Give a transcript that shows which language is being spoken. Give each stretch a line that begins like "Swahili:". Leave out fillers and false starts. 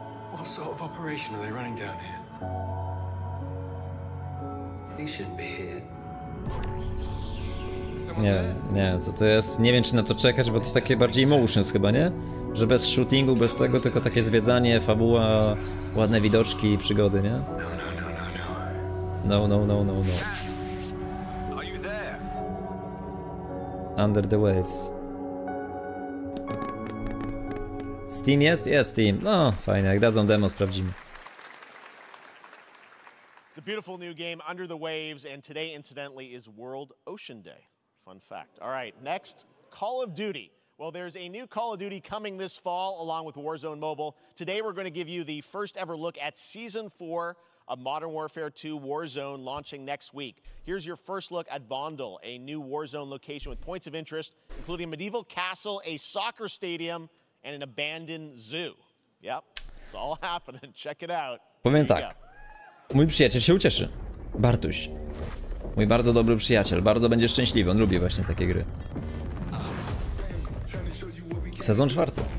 English: What sort of operation are they running down here? They shouldn't be here.
Polish: Nie, nie, co to jest? Nie wiem, czy na to czekać, bo to takie bardziej motions chyba, nie? Że bez shootingu, bez tego, tylko takie zwiedzanie, fabuła, ładne widoczki i przygody, nie? No.
English: Under the waves.
Polish: Steam jest? Jest Steam. No, fajnie, jak dadzą demo, sprawdzimy.
English: It's a beautiful new game, Under the Waves, and today, incidentally, is World Ocean Day. Fun fact. All right, next, Call of Duty. Well, there's a new Call of Duty coming this fall along with Warzone Mobile. Today, we're going to give you the first ever look at Season 4 of Modern Warfare 2 Warzone launching next week. Here's your first look at Vondel, a new Warzone location with points of interest, including a medieval castle, a soccer stadium, and an abandoned zoo. Yep, it's all happening. Check it out.
Polish: Powiem tak. Mój przyjaciel się ucieszy. Bartuś. Mój bardzo dobry przyjaciel, bardzo będzie szczęśliwy, on lubi właśnie takie gry. Sezon 4.